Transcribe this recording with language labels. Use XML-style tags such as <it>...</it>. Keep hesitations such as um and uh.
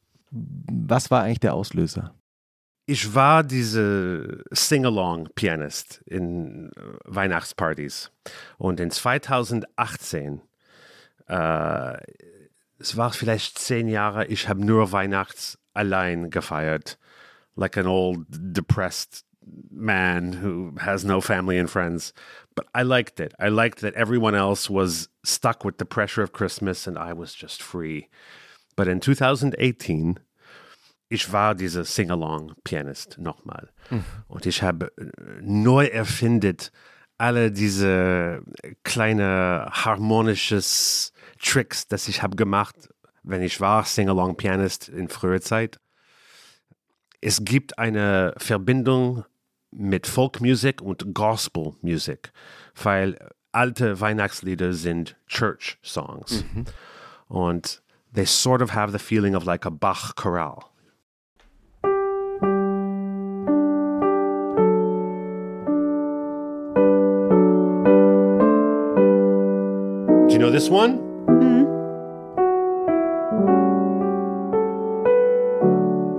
<de>Was war eigentlich der Auslöser? Ich war diese Sing-Along-Pianist in Weihnachtspartys. Und in 2018, äh, es war vielleicht zehn Jahre, ich habe nur Weihnachts allein gefeiert.</de> <en>Like an old depressed man who has no family and friends. but I liked it. I liked that everyone else was stuck with the pressure of Christmas and I was just free. But in 2018,</en> <de>ich war dieser singalong Pianist nochmal. Mm. Und ich habe neu erfindet alle diese kleine harmonisches Tricks, das ich habe gemacht, wenn ich war singalong Pianist in früher Zeit. Es gibt eine Verbindung mit Folkmusik und Gospelmusik, weil alte Weihnachtslieder sind Church Songs.</de> <en>and mm -hmm. they sort of have the feeling of like a Bach Chorale. Do you know this one? Mm -hmm.</en>